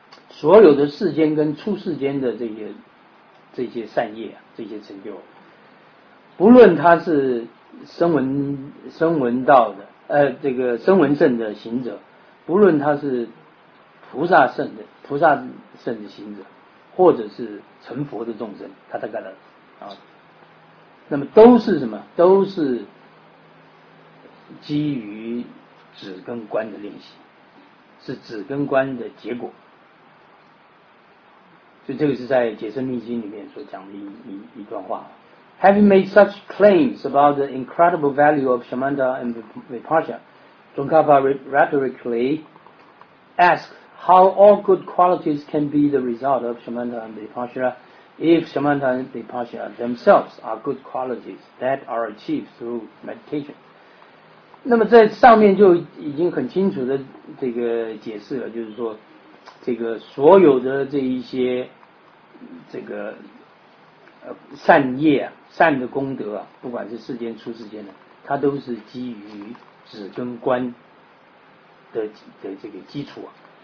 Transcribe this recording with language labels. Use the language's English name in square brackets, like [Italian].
[Chinese] 所有的世间跟出世间的这些善业，这些成就，不论他是声闻道的这个声闻圣的行者，不论他是菩萨圣的行者，或者是成佛的众生，他大概的啊，那么都是什么？都是基于止跟观的练习，是止跟观的结果。所以这个是在《解深密经》里面所讲的一段话。 [English] Having made such claims about the incredible value of Samatha and Vipassana, Tsongkhapa rhetorically asks how all good qualities can be the result of Samatha and Vipassana. If Samatha and Vipassana themselves are good qualities that are achieved through meditation， [Chinese] 那么在上面就已经很清楚的这个解释了，就是说这个所有的这一些这个善业啊，善的功德啊，不管是世间出世间的，它都是基于止跟观的这个基础啊。